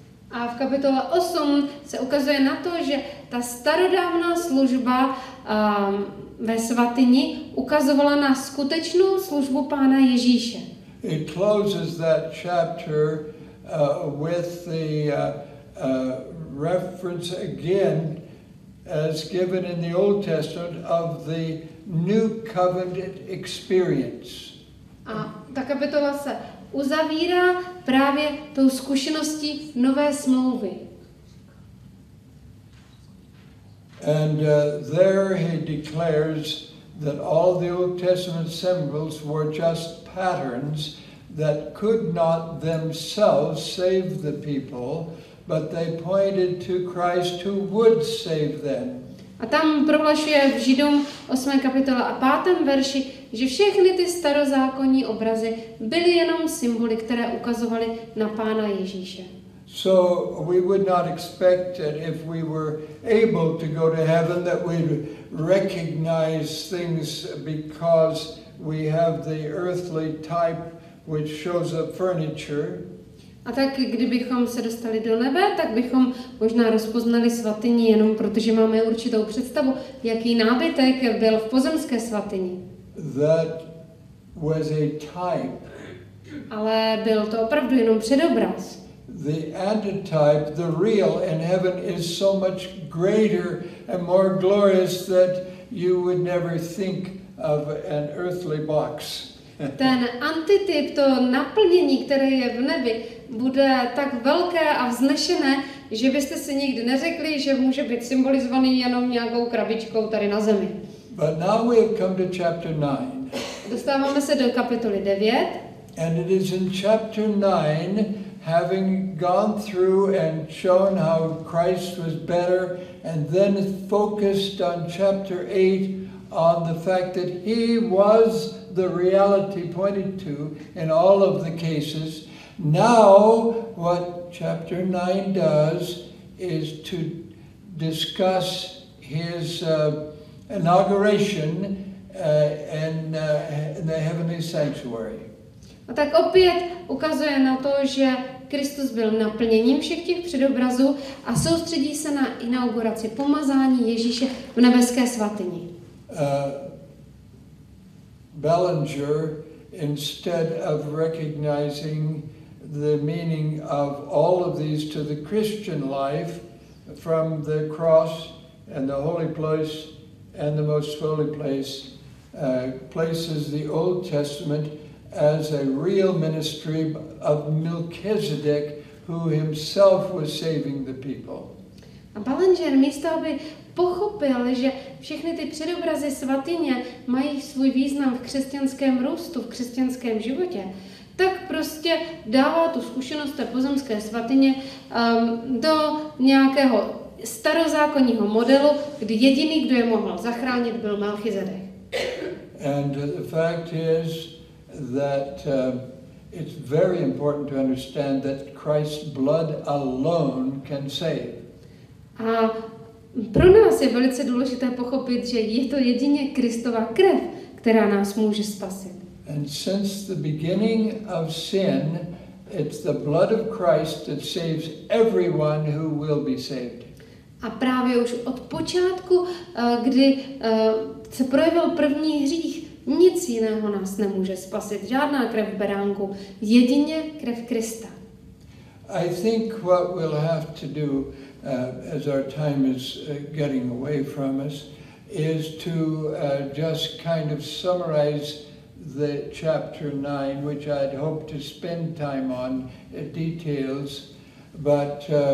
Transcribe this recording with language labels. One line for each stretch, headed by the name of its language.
Czech: A v kapitole 8 se ukazuje na to, že ta starodávná služba ve svatyni ukazovala na skutečnou službu Pána Ježíše.
English: It closes that chapter with the reference again as given in the Old Testament of the new covenant experience.
Czech: A ta kapitola se uzavírá právě tou zkušeností nové smlouvy.
English: And there he declares that all the Old Testament symbols were just patterns that could not themselves save the people, but they pointed to Christ who would save them.
Czech: A tam prohlašuje v Židům 8. kapitole a 5. verši, že všechny ty starozákonní obrazy byly jenom symboly, které ukazovaly na Pána Ježíše.
English: So we would not expect that if we were able to go to heaven that we'd recognize things because we have the earthly type which shows up furniture.
Czech: A tak kdybychom se dostali do nebe, tak bychom možná rozpoznali svatyni jenom protože máme určitou představu, jaký nábytek byl v pozemské svatyni.
English: That was a type.
Czech: Ale byl to opravdu jenom předobraz.
English: The antitype, the real in heaven is so much greater and more glorious that you would never think of an earthly box.
Czech: Ten antityp, to naplnění, které je v nebi, bude tak velké a vznešené, že byste si nikdy neřekli, že může být symbolizovaný jenom nějakou krabičkou tady na zemi.
English: But now we have come to chapter 9.
Czech: Dostáváme se do kapitoly 9.
English: And it is in chapter 9, having gone through and shown how Christ was better, and then focused on chapter 8 on the fact that he was the reality pointed to in all of the cases. Now, what chapter 9 does is to discuss his inauguration in the heavenly sanctuary.
Czech: A tak opět ukazuje na to, že Kristus byl naplněním všech těch předobrazů a soustředí se na inauguraci pomazání Ježíše v nebeské svatyni.
English: Bellinger, instead of recognizing the meaning of all of these to the Christian life from the cross and the holy place and the most holy place, places the Old Testament as a real ministry of Melchizedek, who himself was saving the people.
Czech: A Bellinger místo aby pochopil, že všechny ty předobrazy svatyně mají svůj význam v křesťanském růstu, v křesťanském životě, tak prostě dává tu zkušenost té pozemské svatyně do nějakého starozákonního modelu, kdy jediný, kdo je mohl zachránit, byl Melchizedek.
English: And the fact is that it's very important to understand that Christ's blood alone can save.
Czech: A pro nás je velice důležité pochopit, že je to jedině Kristova krev, která nás může spasit.
English: And since the beginning of sin, it's the blood of Christ that saves everyone who will be saved.
Czech: A právě už od počátku, kdy se projevil první hřích, nic jiného nás nemůže spasit, žádná krev beránku, jedině krev Krista.
English: I think what we'll have to do as our time is getting away from us is to just kind of summarize the chapter 9, which I'd hope to spend time on details, but